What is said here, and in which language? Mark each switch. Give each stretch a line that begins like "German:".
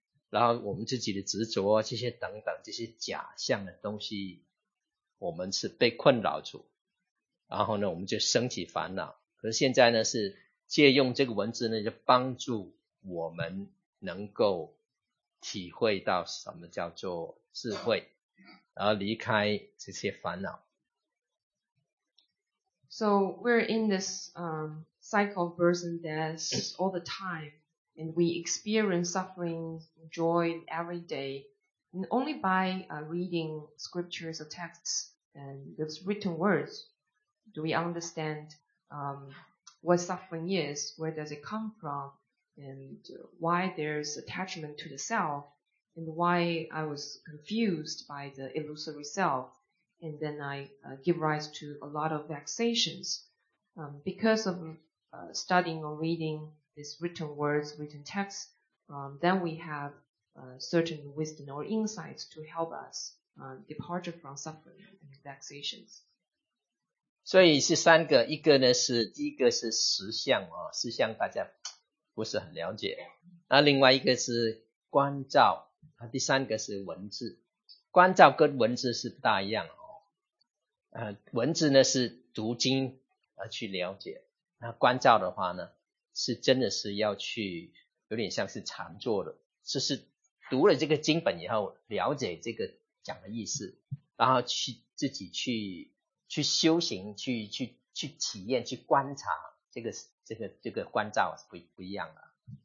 Chinese: 然后我们自己的执着这些等等这些假象的东西，我们是被困扰住，然后呢我们就升起烦恼。可是现在呢是借用这个文字呢，就帮助我们能够体会到什么叫做智慧，然后离开这些烦恼。
English: So we're in this cycle of birth and death all the time, and we experience suffering, joy every day. And only by reading scriptures or texts and those written words do we understand what suffering is, where does it come from, and why there's attachment to the self, and why I was confused by the illusory self, and then I give rise to a lot of vexations. Because of studying or reading these written words, written texts, then we have certain wisdom or insights to help us depart from suffering and vexations.
Chinese: 所以是三个，一个呢是第一个是实相啊，实相大家不是很了解。那另外一个是观照，第三个是文字。观照跟文字是不大一样哦。文字呢是读经而去了解，那观照的话呢，是真的是要去有点像是禅坐的，就是读了这个经本以后，了解这个讲的意思，然后去自己去修行，去体验，去观察，这个观照是不一样的。